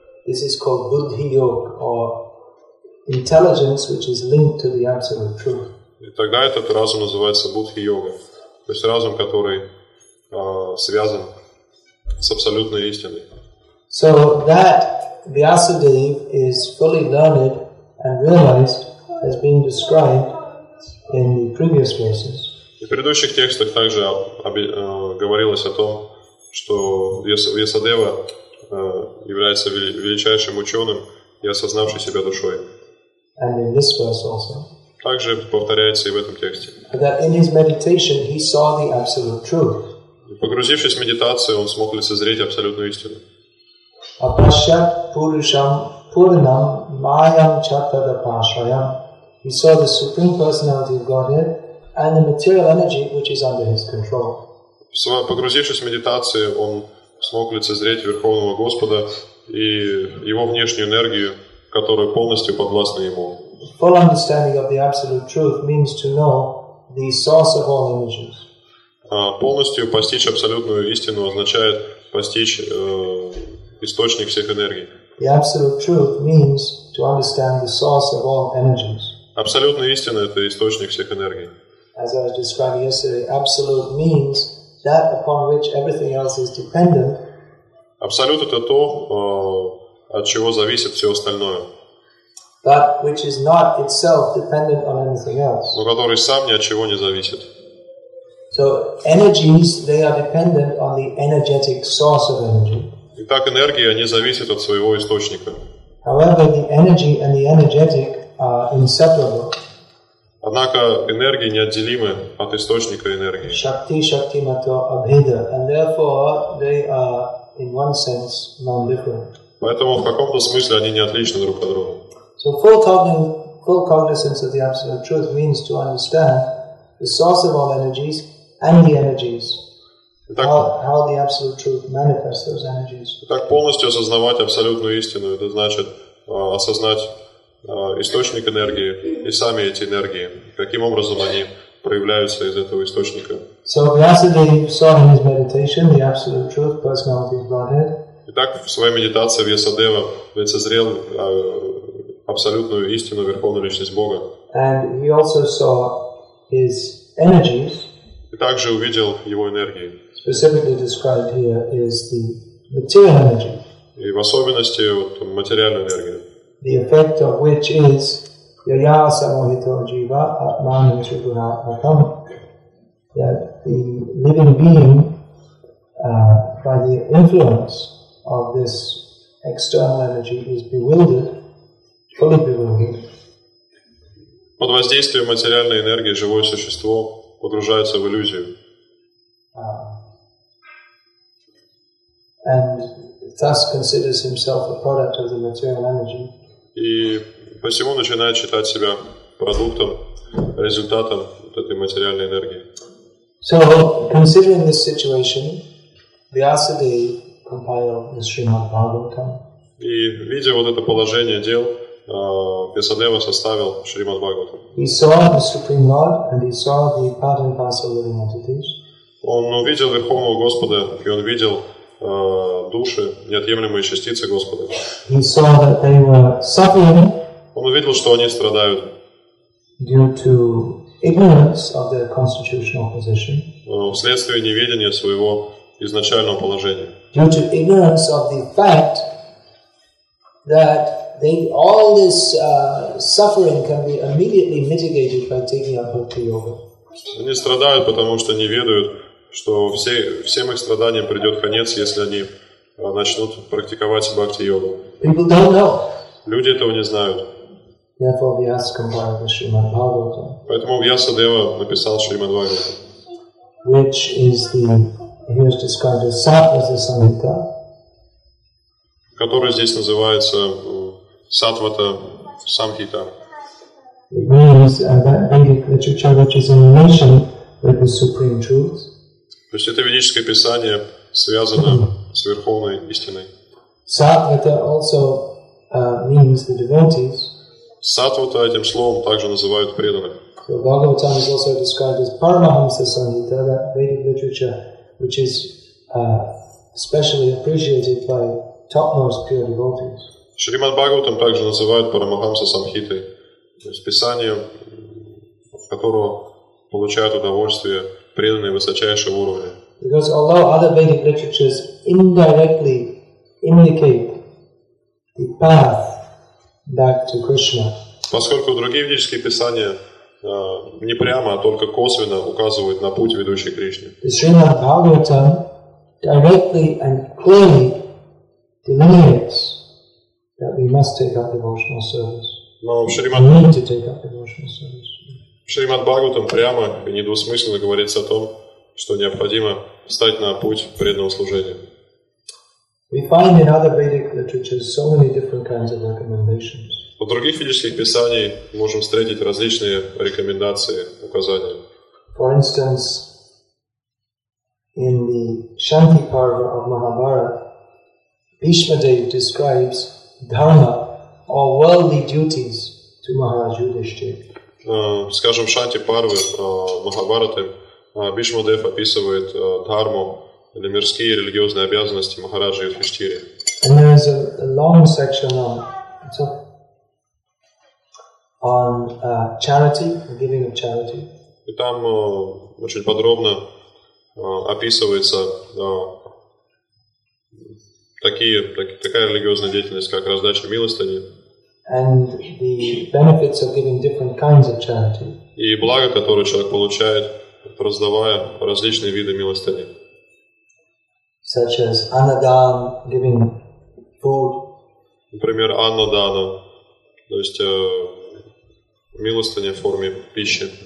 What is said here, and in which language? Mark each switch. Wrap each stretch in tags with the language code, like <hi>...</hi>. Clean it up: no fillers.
<en>This is called Buddhi-yoga, or intelligence, which is linked to the absolute truth.</en> <ru>И тогда этот разум называется Буддхи-йога, то есть разум, который связан с абсолютной истиной.</ru> <en>So that Vyasadeva is fully learned and realized has been described in the previous verses.</en> <ru>И в предыдущих текстах также говорилось о том, что Вьясадева является величайшим ученым и осознавший себя душой.</ru> <en>And in this verse also.</en> <ru>Также повторяется и в этом тексте.</ru> <en>That in his meditation he saw the absolute truth.</en> <ru>Погрузившись в медитацию, он смог лицезреть абсолютную истину.</ru> <sa>Апашьят пурушам пурнам майам чаттадапашаям.</sa> <en>He saw the Supreme Personality of Godhead and the material energy which is under his control.</en> <ru>Погрузившись в медитацию, он смог лицезреть Верховного Господа и его внешнюю энергию, которая полностью подвластна ему.</ru> <en>Full understanding of the absolute truth means to know the source of all images.</en> <ru>полностью постичь абсолютную истину означает постичь источник всех энергий.</ru> <en>The absolute truth means to understand the source of all energies.</en> <ru>Абсолютная истина — это источник всех энергий.</ru> <en>As I was describing yesterday, absolute means that upon which everything else is dependent.</en> <ru>Абсолют — это то, от чего зависит все остальное.</ru> <en>But which is not itself dependent on anything else.</en> <ru>Но который сам ни от чего не зависит.</ru> <en>So energies, they are dependent on the energetic source of energy.</en> <ru>Итак, энергии, они зависят от своего источника.</ru> <en>However, the energy and the energetic are inseparable.</en> <ru>Однако энергии неотделимы от источника энергии.</ru> <sa>Shakti, shakti mato abhida,</sa> <en>and therefore they are in one sense non-different.</en> <ru>Поэтому в каком-то смысле они не отличны друг от друга.</ru> <en>So full cognizance of the absolute truth means to understand the source of all energies and the energies.</en> <ru>Итак,</ru> <en>how the absolute truth manifests those energies.</en> <ru>Итак, полностью осознавать абсолютную истину — это значит осознать источник энергии и сами эти энергии, каким образом они проявляются из этого источника.</ru> <en>So Vyasadeva saw in his meditation the absolute truth, personality of Godhead.</en> <ru>Итак, в своей медитации Вьясадева лицезрел абсолютную истину, верховную личность Бога.</ru> <en>And he also saw his energies.</en> <ru>И также увидел его энергии.</ru> <en>Specifically described here is the material energy.</en> <ru>И в особенности вот материальную энергию.</ru> <en>The effect of which is</en> <sa>yaya samohito jiva atmanam tribhuna atam,</sa> <en>that the living being, by the influence of this external energy, is bewildered, fully bewildered.</en> <ru>Под воздействием материальной энергии живое существо погружается в иллюзию.</ru> <en>And thus considers himself a product of the material energy.</en> <ru>И посему начинает считать себя продуктом, результатом вот этой материальной энергии.</ru> <en>So, considering this situation, Vyasadeva compiled the Srimad Bhagavatam.</en> <ru>И видя вот это положение дел, Vyasadeva составил Шримад Бхагаватам.</ru> <en>He saw the Supreme Lord and he saw the part and parcel living entities.</en> <ru>Он увидел Верховного Господа и он видел души, неотъемлемые частицы Господа.</ru> <en>He saw that they were suffering.</en> <ru>Он увидел, что они страдают.</ru> <en>Due to ignorance of their constitutional position.</en> <ru>Вследствие неведения своего изначального положения.</ru> <en>Due to ignorance of the fact that all this suffering can be immediately mitigated by taking up bhakti yoga.</en> <ru>Они страдают, потому что не ведают, что всем их страданиям придет конец, если они начнут практиковать бхакти-йогу.</ru> <en>People don't know.</en> <ru>Люди этого не знают.</ru> <en>Therefore, Vyasa compiled the Srimad Bhagavatam.</en> <ru>Поэтому Вьясадева написал Шримад Бхагаватам.</ru> <en>Which is the, he was described as Sattva Samhita.</en> <ru>Который здесь называется Сатвата Самхита.</ru> <en>It means that Vedic literature which is in relation with the Supreme Truth.</en> <ru>То есть это ведическое писание связано с Верховной Истиной. Саттва also means the devotees. Саттва этим словом также называют преданных.</ru> <en>So Bhagavatam is also described as Paramahamsa Samhita, that Vedic literature which is specially appreciated by topmost pure devotees.</en> <ru>Шримад Бхагаватам также называют Парамахамса Самхитой, то есть писанием, от которого получают удовольствие преданные высочайшего уровня.</ru> <en>Because although other Vedic literatures indirectly indicate the path back to Krishna.</en> <ru>Поскольку другие ведические писания не прямо, а только косвенно указывают на путь, ведущий к Кришне.</ru> <en>The Srimad Bhagavatam directly and clearly delineates that we must take up devotional service.</en> <ru>Но в Шримад Бхагаватам прямо и недвусмысленно говорится о том, что необходимо встать на путь преданного служения.</ru> <en>We find in other Vedic literatures so many different kinds of recommendations.</en> <ru>В других ведических писаниях можем встретить различные рекомендации, указания.</ru> <en>For instance, in the Shanti Parva of Mahabharata, Bhishma Dev describes dharma or worldly duties to Maharaj Yudhishthira.</en> <ru>Скажем, в Шанти Парве Махабхараты Бишма Дев описывает дхарму или мирские религиозные обязанности Махараджи Юдхиштхири.</ru> <en>And there is a long section on, it's a, on charity, giving of charity.</en> <ru>И там очень подробно описывается такие, такая религиозная деятельность, как раздача милостыни.</ru> <en>And the benefits of giving different kinds of charity.</en> <ru>И благо, которое человек получает, раздавая различные виды милостыни.</ru> <en>Such as anadan, giving food.</en> <ru>Например, анадана, то есть милостыня в форме пищи.</ru>